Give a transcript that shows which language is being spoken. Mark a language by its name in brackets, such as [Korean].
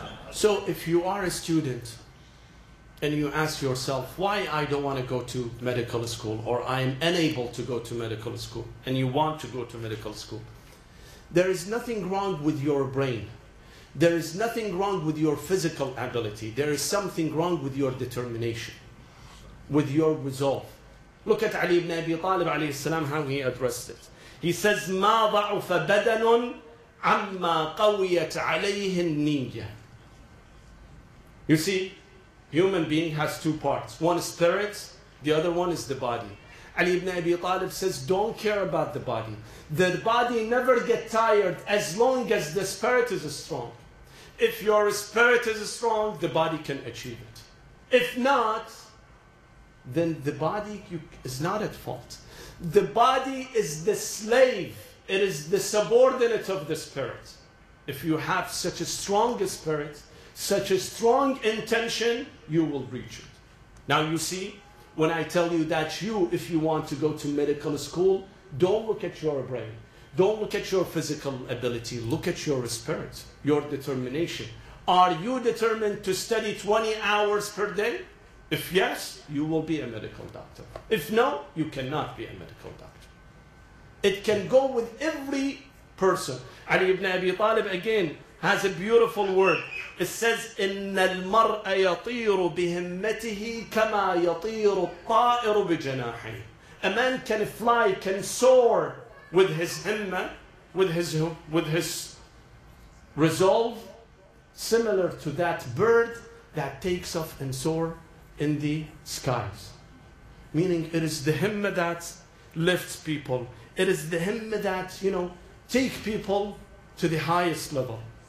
[English] So if you are a student and you ask yourself, why I don't want to go to medical school, or I am unable to go to medical school, and you want to go to medical school, there is nothing wrong with your brain. There is nothing wrong with your physical ability. There is something wrong with your determination, with your resolve. Look at Ali ibn Abi Talib alayhi salam, how he addressed it. He says, [Arabic] مَا ضَعُفَ بَدَنٌ عَمَّا قَوِيَتْ عَلَيْهِ النِّيَّةِ. [English] You see, human being has two parts. One is spirit, the other one is the body. Ali ibn Abi Talib says, don't care about the body. The body never gets tired as long as the spirit is strong. If your spirit is strong, the body can achieve it. If not, then the body is not at fault. The body is the slave. It is the subordinate of the spirit. If you have such a strong spirit, such a strong intention, you will reach it. Now you see, when I tell you that you, if you want to go to medical school, don't look at your brain. Don't look at your physical ability. Look at your spirit, your determination. Are you determined to study 20 hours per day? If yes, you will be a medical doctor. If no, you cannot be a medical doctor. It can go with every person. Ali ibn Abi Talib again has a beautiful word. It says, [Arabic] إِنَّ الْمَرْءَ يَطِيرُ بِهِمَّتِهِ كَمَا يَطِيرُ الطَّائِرُ بِجَنَاحِهِ. [English] A man can fly, can soar with his himmah, with his resolve, similar to that bird that takes off and soar in the skies. Meaning it is the himmah that lifts people. It is the himmah that, you know, take people to the highest level.